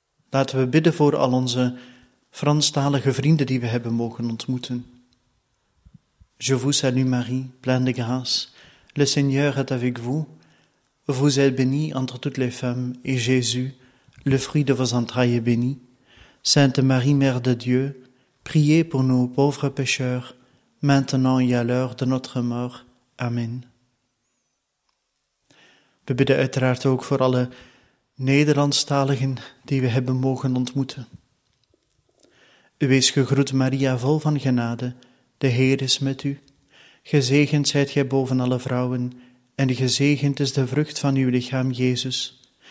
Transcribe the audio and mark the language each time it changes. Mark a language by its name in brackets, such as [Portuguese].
[Dutch] Laten we bidden voor al onze Franstalige vrienden die we hebben mogen ontmoeten. [French] Je vous salue Marie, pleine de grâce. Le Seigneur est avec vous. Vous êtes bénie entre toutes les femmes, et Jésus, le fruit de vos entrailles, est béni. Sainte Marie, Mère de Dieu, priez pour nos pauvres pécheurs, maintenant et à l'heure de notre mort. Amen. [Dutch] We bidden uiteraard ook voor alle Nederlandstaligen die we hebben mogen ontmoeten. Wees gegroet, Maria, vol van genade, de Heer is met u. Gezegend zijt gij boven alle vrouwen, en gezegend is de vrucht van uw lichaam, Jezus.